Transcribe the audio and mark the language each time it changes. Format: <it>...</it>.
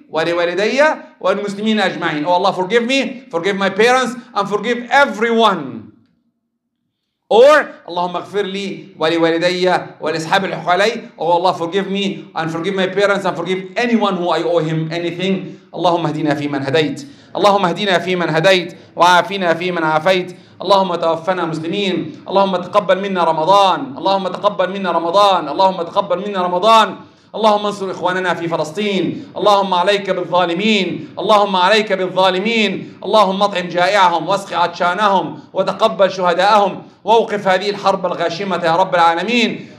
<ar>ولوالدي والمسلمين أجمعين.</ar> <en>Oh Allah, forgive me, forgive my parents, and forgive everyone.</en> <ar>Or اللهم اغفر لي ولوالدي ولأصحاب الحق علي.</ar> <en>Oh Allah, forgive me and forgive my parents and forgive anyone who I owe him anything.</en> <ar>اللهم اهدنا في من هديت. اللهم اهدنا في من هديت وعافنا في من عافيت. اللهم توفنا مسلمين. اللهم تقبل منا رمضان. اللهم تقبل منا رمضان. اللهم تقبل منا رمضان. اللهم انصر إخواننا في فلسطين. اللهم عليك بالظالمين. اللهم عليك بالظالمين. اللهم اطعم جائعهم واسق عطشانهم وتقبل شهداءهم ووقف هذه الحرب الغاشمة يا رب العالمين.</ar>